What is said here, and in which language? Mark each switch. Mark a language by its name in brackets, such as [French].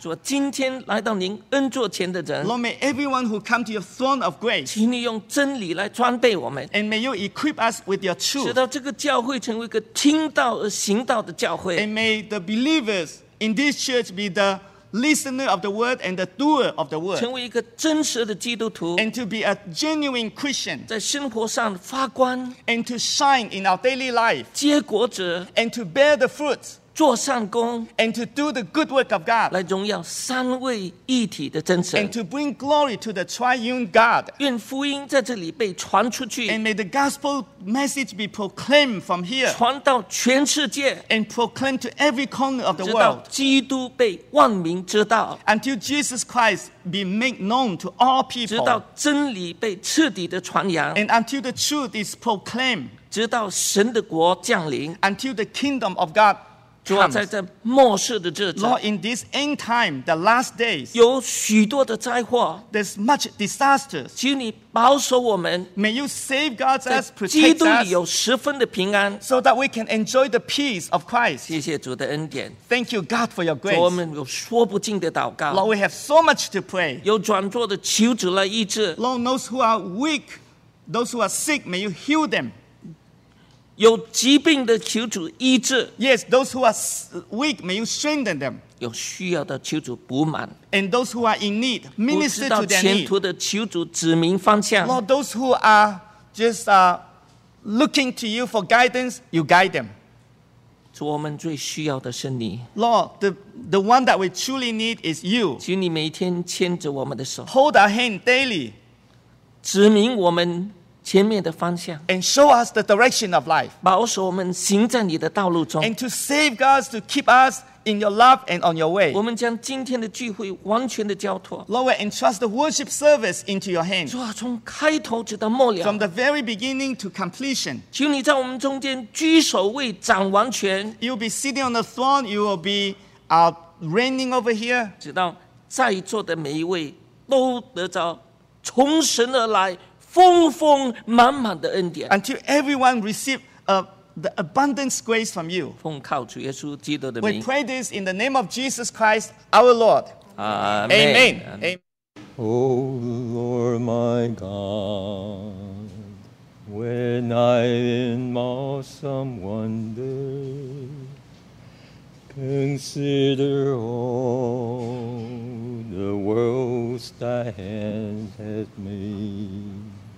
[Chinese] 主啊今天来到您恩座前的人 [English] Lord may everyone who come to your throne of grace [Chinese] 请你用真理来装备我们 [English] And may you equip us with your truth [Chinese] 使到这个教会成为一个听到而行道的教会 [English] And may the believers in this church be the listener of the word and the doer of the word [Chinese] 成为一个真实的基督徒 [English] And to be a genuine Christian [Chinese] 在生活上发光 [English] And to shine in our daily life [Chinese] 结果子 [English] And to bear the fruits [Chinese] 做善工 [English] And to do the good work of God [Chinese] 来荣耀三位一体的真神 [English] And to bring glory to the triune God [Chinese] 愿福音在这里被传出去 [English] And may the gospel message be proclaimed from here [Chinese] 传到全世界 [English] And proclaim to every corner of the world [Chinese] 直到基督被万民知道 [English] Until Jesus Christ be made known to all people [Chinese] 直到真理被彻底的传扬 [English] And until the truth is proclaimed [Chinese] 直到神的国降临 [English] Until the kingdom of God [Chinese] 主啊，在这末世的日子 [English] ，Lord, in this end time, the last days, [Chinese] 有许多的灾祸 [English] ，there's much disasters. [Chinese] 求你保守我们 [English] ，May you save God as protect us. [Chinese] 在基督里有十分的平安 [English] ，so that we can enjoy the peace of Christ. [Chinese] 谢谢主的恩典 [English] ，Thank you, God, for your grace. [Chinese] 主，我们有说不尽的祷告 [English] ，Lord, we have so much to pray. [Chinese] 有软弱的求主来医治 [English] ，Lord, those who are weak, those who are sick, may you heal them. [Chinese] 有疾病的求主医治 [English] Yes, those who are weak, may you strengthen them [Chinese] 有需要的求主补满 [English] And those who are in need, minister to their need [Chinese] 不知道前途的求主指明方向 [English] Lord, those who are just looking to you for guidance, you guide them [Chinese] 主我们最需要的是你 [English] Lord, the one that we truly need is you [Chinese] 请你每天牵着我们的手 [English] Hold our hand daily [Chinese] 指明我们前面的方向 [English] and show us the direction of life. [Chinese] 保守我们行在你的道路中 [English] and to save us, to keep us in your love and on your way. [Chinese] 我们将今天的聚会完全的交托 [English] Lord, we entrust the worship service into your hands. [Chinese] 主啊，从开头直到末了 [English] from the very beginning to completion. [Chinese] 求你在我们中间居首位，掌完全 [English] You'll be sitting on the throne. You will be reigning over here. [Chinese] 直到在座的每一位都得着从神而来。丰丰满满的恩典 [English] Until everyone receives the abundance grace from you. [Chinese] 奉靠主耶稣基督的名 [English] We pray this in the name of Jesus Christ, our Lord. Amen. Amen. O Lord my God, when I in awesome wonder consider all the worlds thy hand hath made.